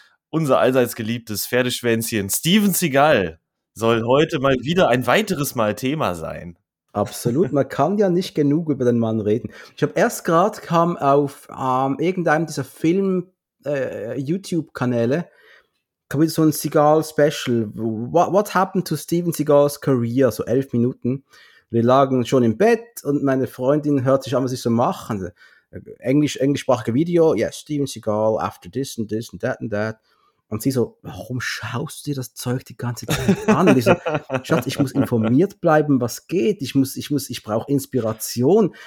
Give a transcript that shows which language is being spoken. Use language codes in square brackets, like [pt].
[de] Unser allseits geliebtes Pferdeschwänzchen Steven Seagal soll heute mal wieder ein weiteres Mal Thema sein. Absolut, man kann ja nicht genug über den Mann reden. Ich habe erst gerade kam auf irgendeinem dieser Film-YouTube-Kanäle kam wieder so ein Seagal-Special. [en] What happened to Steven Seagals career? [de] So 11 Minuten. Wir lagen schon im Bett und meine Freundin hört sich an, was ich so mache. Englischsprachige Video, [en] yes, Steven Seagal, after this and that and that. [de] Und sie so, warum schaust du dir das Zeug die ganze Zeit an? Und ich so, Schatz, ich muss informiert bleiben, was geht. Ich brauche Inspiration.